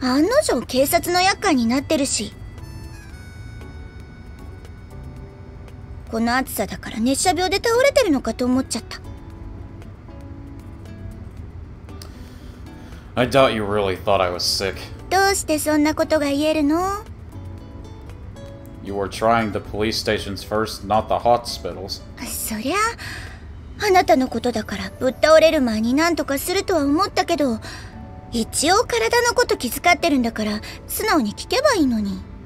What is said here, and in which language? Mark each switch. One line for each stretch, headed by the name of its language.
Japanese: びっくりしたのよ。時間になっても現れないし、これは何かあったんだって連絡したら、案の定警察の厄介になってるし。この暑さだから熱射病で倒れてるのかと思っちゃった。
English: I doubt you really thought I was sick.
Japanese: どうしてそんなことが言えるの?
English: You were trying the police stations first, not the hospitals.
Japanese: そりゃ、あなたのことだからぶっ倒れる前になんとかするとは思ったけど、一応体のこと気遣ってるんだから素直に聞けばいいのに。